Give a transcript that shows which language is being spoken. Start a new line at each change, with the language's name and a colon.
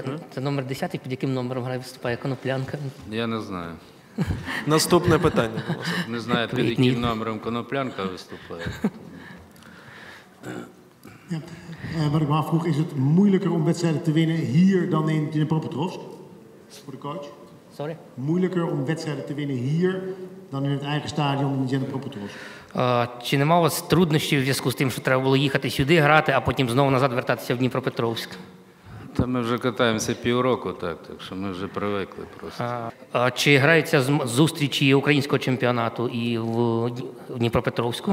Ukrainian: Це номер 10, під яким номером грає виступає Коноплянка? Я не знаю. Наступне питання. Не знаю, під яким номером Коноплянка виступає.
Dutch: Wat ik me afvroeg, is het moeilijker om wedstrijden te winnen hier dan in Dnipropetrovsk? Voor de coach? Sorry? Moeilijker om wedstrijden te winnen hier dan in het eigen stadion in Dnipropetrovsk?
Ukrainian: Чи нема у вас труднощів в зв'язку з тим, що треба було їхати сюди грати, а потім знову назад вертатися в Дніпропетровськ? Та ми вже катаємося півроку так, так що ми вже привикли просто. А чи граються зустрічі українського чемпіонату і в Дніпропетровську?